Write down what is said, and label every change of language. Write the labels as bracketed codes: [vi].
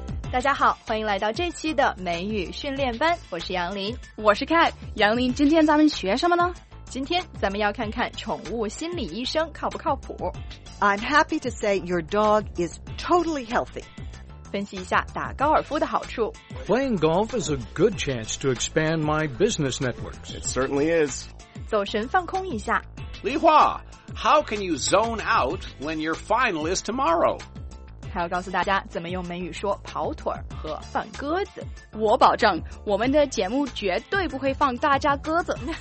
[zh] 大家好，欢迎来到这期的美语训练班，我是杨林。我是 Kat。杨林，今天咱们学什么呢？今天咱们要看看宠物心理医生靠不靠谱。 [en] I'm happy to say your dog is totally healthy. [zh] 分析一下打高尔夫的好处。 [en] Playing golf is a good chance to expand my business networks. It certainly is. [zh] 走神放空一下。 [en] 李华， How can you zone out when your final is tomorrow? [zh] 还要告诉大家怎么用美语说跑腿和放鸽子。我保证我们的节目绝对不会放大家鸽子。